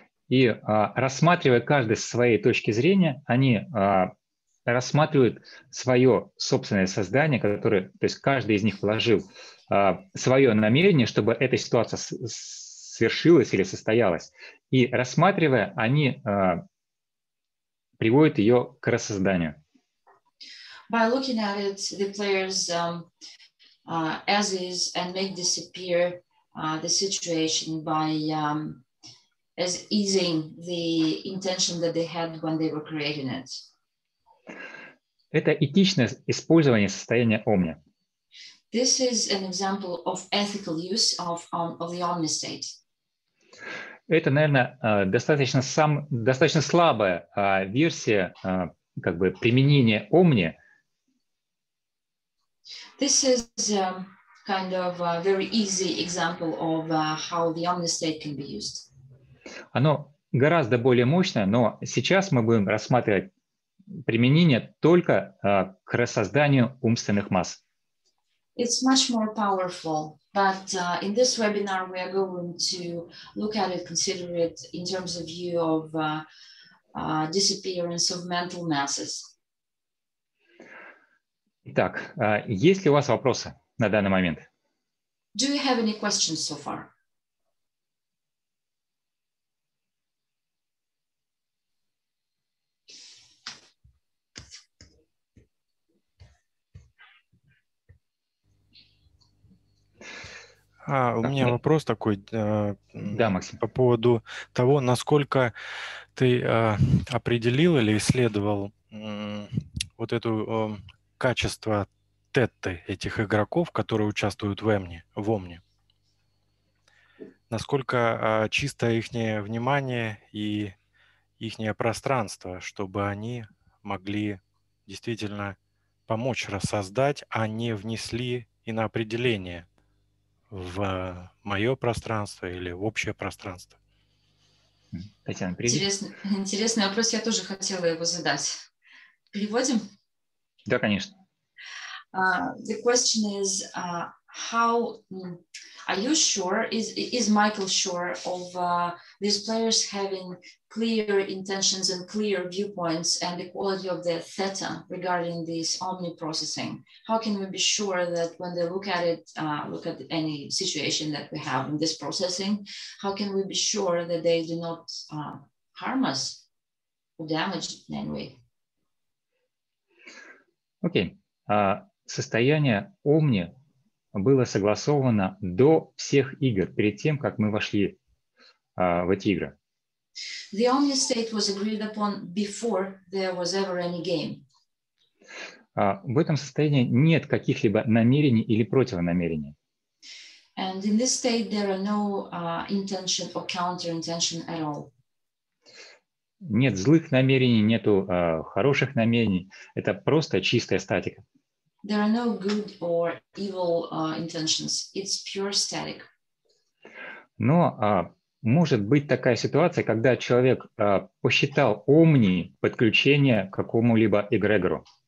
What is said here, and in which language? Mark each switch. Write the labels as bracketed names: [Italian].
[Russian] И рассматривая каждый с своей точки зрения, они рассматривают свое собственное создание, которое, то есть каждый из них вложил свое намерение, чтобы эта ситуация свершилась или состоялась. И рассматривая, они приводят ее к рассозданию. [English] By looking at it, the players as is and make disappear the situation by as easing the intention that they had when they were creating it. [Russian] Это этичное использование состояния Омни. [English] This is an example of ethical use of the Omni state. [Russian] Это, наверное, достаточно слабая версия как бы применения Омни. [English] This is kind of a very easy example of how the Omni state can be used. [Russian] Оно гораздо более мощное, но сейчас мы будем рассматривать применение только к рассозданию умственных масс. [English] It's much more powerful, but in this webinar we are going to look at it, consider it in terms of view of disappearance of mental masses. [Russian] Итак, есть ли у вас вопросы на данный момент? [English] Do you have any questions so far? [Russian] А, у меня вопрос такой да, Максим. По поводу того, насколько ты определил или исследовал вот это качество тетты этих игроков, которые участвуют в Омни. Насколько чисто их внимание и их пространство, чтобы они могли действительно помочь рассоздать, а не внесли и на определение в мое пространство или в общее пространство. Татьяна, привет. Интересный вопрос, я тоже хотела его задать. Переводим? Да, конечно. [English] The question is, how are you sure, is Michael sure of these players having clear intentions and clear viewpoints and the quality of their theta regarding this omni-processing? How can we be sure that when they look at it, look at any situation that we have in this processing, how can we be sure that they do not harm us or damage in any way? Okay. [Russian] Состояние Омни было согласовано до всех игр, перед тем, как мы вошли в эти игры. [English] The Omni state was agreed upon before there was ever any game. [Russian] В этом состоянии нет каких-либо намерений или противонамерений. [English] And in this state there are no intention or counter-intention at all. [Russian] Нет злых намерений, нету хороших намерений. Это просто чистая статика. [English] There are no good or evil intentions. It's pure static. [Russian] Но может быть такая ситуация, когда человек посчитал Омни подключение к какому-либо эгрегору.